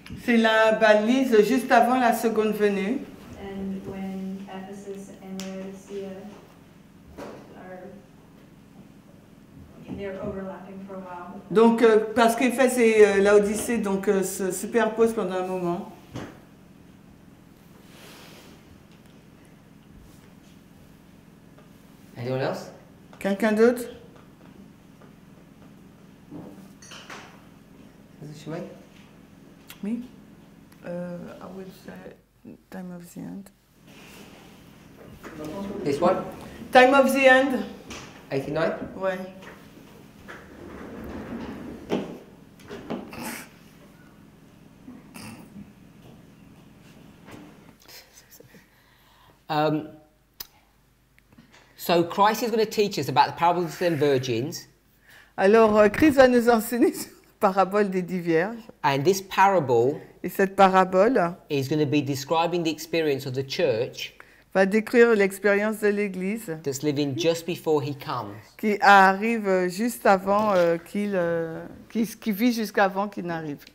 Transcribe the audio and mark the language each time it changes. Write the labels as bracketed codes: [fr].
[fr] C'est la balise juste avant la seconde venue. [en] And when Ephesus and Laodicea they're overlapping for a while. [fr] Donc parce qu'Ephèse et Laodicée donc se superposent pendant un moment. [en] Anyone else? [fr] Quelqu'un d'autre? [en] Me? I will say time of the end. This one? Time of the end. 89? Why? So Christ is going to teach us about the parable of the ten virgins. [fr] Alors, Christ va nous enseigner. Parabole des dix vierges. [en] And this parable, [fr] et cette parabole, [en] is going to be describing the experience of the church, [fr] va décrire l'expérience de l'église, [en] that's living just before he comes, [fr] qui arrive juste avant qu'il vit jusqu'à avant qu'il n'arrive.